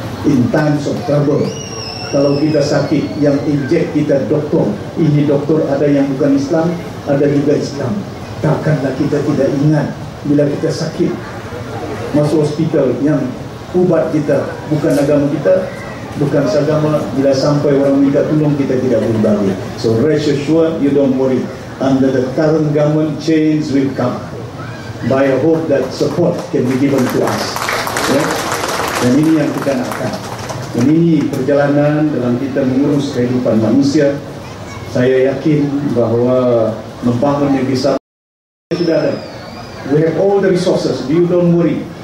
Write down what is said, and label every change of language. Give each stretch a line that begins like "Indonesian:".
English: In times of trouble,
Malay: kalau kita sakit, yang inject kita doktor, ini doktor ada yang bukan Islam, ada juga Islam. Takkanlah kita tidak ingat bila kita sakit masuk hospital yang ubat kita bukan agama kita, bukan seagama. Bila sampai orang minta tolong, kita tidak berbagi.
English: So rest assured, you don't worry, under the current government, change will come by a hope that support can be given to us, yeah?
Malay: Dan ini yang kita nakkan, dan ini perjalanan dalam kita mengurus kehidupan manusia. Saya yakin bahwa membangun negeri Sabah sudah ada.
English: We have all the resources, you don't worry.